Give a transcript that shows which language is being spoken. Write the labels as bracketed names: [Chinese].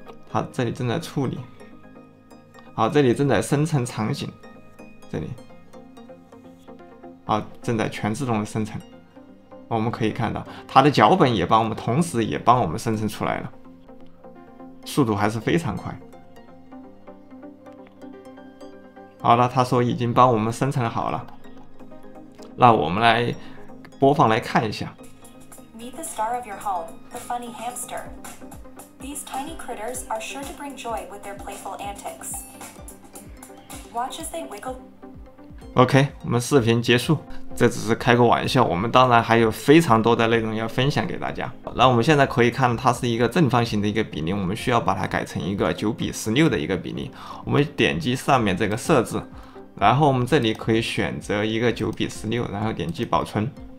[Chinese] 好，这里正在处理，好，这里正在生成场景，这里正在全自动的生成，我们可以看到它的脚本也帮我们，同时也帮我们生成出来了，速度还是非常快。好了，他说已经帮我们生成好了，那我们来播放来看一下。 [English] Meet the star of your home, the funny hamster. These tiny critters are sure to bring joy with their playful antics. Watch as they wiggle. [Chinese] OK， 我们视频结束，这只是开个玩笑，我们当然还有非常多的内容要分享给大家。那我们现在可以看它是一个正方形的一个比例，我们需要把它改成一个9:16的一个比例，我们点击上面这个设置，然后我们这里可以选择一个9:16，然后点击保存。